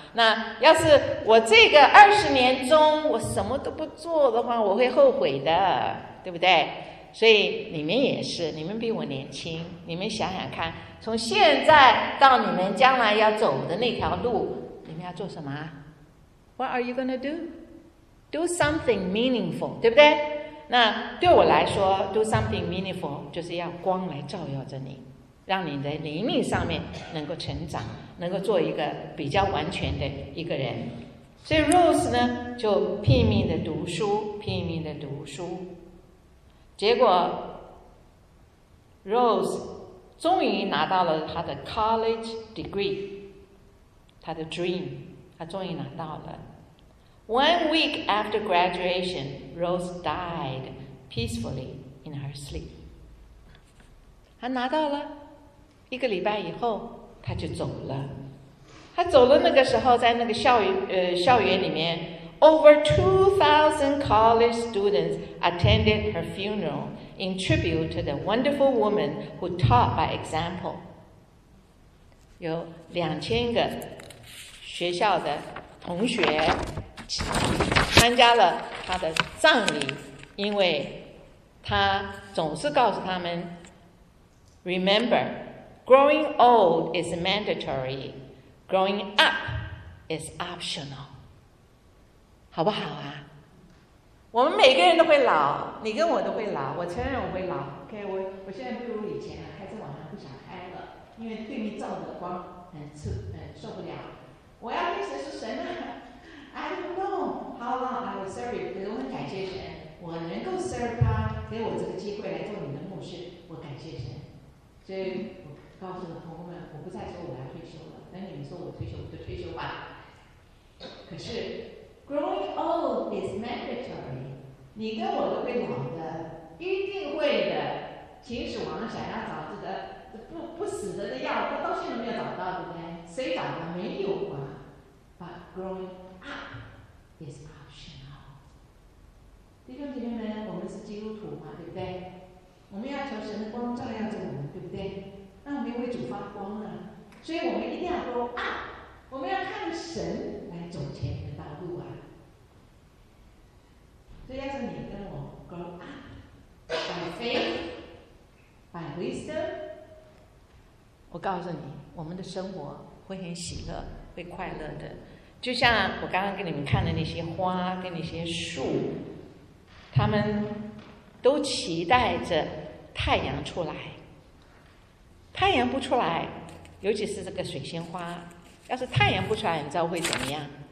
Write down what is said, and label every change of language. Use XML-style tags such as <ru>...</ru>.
<zh>那要是我这个20年中我什么都不做的话，我会后悔的，对不对？所以你们也是，你们比我年轻，你们想想看，从现在到你们将来要走的那条路，你们要做什么？</zh> <en>What are you going to do? Do something meaningful, 对不对？</en> <zh>那对我来说 ,</zh> <en>do something meaningful,</en> <zh>就是要光来照耀着你，让你的灵命上面能够成长，能够做一个比较完全的一个人。所以 Rose 呢就拼命的读书，拼命的读书。结果 Rose 终于拿到了他的 college degree, 他的 dream。他终于拿到了。</zh> <en>One week after graduation, Rose died peacefully in her sleep.</en> <zh>他拿到了，一个礼拜以后他就走了。他走了那个时候，在那个校园里面</zh> <en>，over 2,000 college students attended her funeral in tribute to the wonderful woman who taught by example.</en> <zh>有2000个。学校的同学参加了他的葬礼，因为他总是告诉他们</zh> <en>Remember, growing old is mandatory, growing up is optional.</en> <zh>好不好啊？我们每个人都会老，你跟我都会老，我承认我会老。 OK, 我现在不如以前了，开车晚上不想开了，因为对面照的光受不了。我要跟谁是神呢、啊、</zh> <en>I don't know how long I will serve you.</en> <zh>我很感谢神，我能够 serve 他，给我这个机会来做你的牧师，我感谢神。所以我告诉了朋友们，我不再说我要退休了，等你们说我退休，我就退休吧。</zh> <en>可是 growing old is mandatory.</en> <zh>你跟我都会老的，一定会的。秦始皇想要找这个不死的药，他到现在没有找到，对不对？谁找的？没有啊。</zh> <en>But growing up is optional.</en> <zh>弟兄姐妹们，我们是基督徒嘛，对不对？我们要求神的光照耀着我们，对不对？那我们为主发光啊，所以我们一定要 grow up， 我们要看神来走前面的道路啊。</zh> <en>所以要是你跟我 grow up by faith, by wisdom。</en> <zh>我告诉你，我们的生活会很喜乐，会快乐的。就像我刚刚给你们看的那些花跟那些树，他们都期待着太阳出来。太阳不出来，尤其是这个水仙花，要是太阳不出来，你知道会怎么样？</zh>